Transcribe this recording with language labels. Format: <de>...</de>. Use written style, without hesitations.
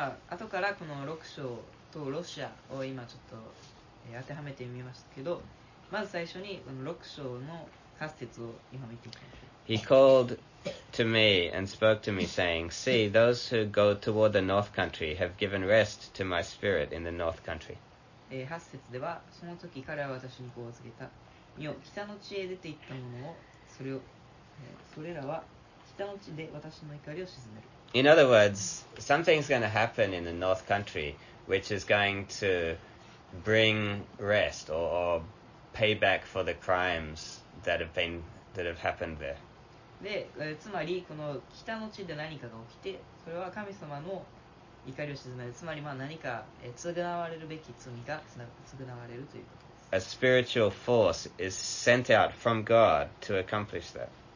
<ja>後からこの6章とロシアを今ちょっと、当てはめてみましたけど、まず最初にこの6章の八節を今見ていきましょう。</ja> <en>He called to me and spoke to me saying, See, those who go toward the north country have given rest to my spirit in the north country.</en> <ja>八節では、その時彼は私にこう告げた。見よ、北の地へ出て行ったものを、それらは北の地で私の怒りを鎮める。</ja> <en>In other words, something's going to happen in the north country which is going to bring rest or payback for the crimes that have happened there.</en> <ja>で、つまりこの北の地で何かが起きて、それは神様の怒りを鎮める。つまり何か償われるべき罪が償われるということです。</ja> <en>A spiritual force is sent out from God to accomplish that.</en>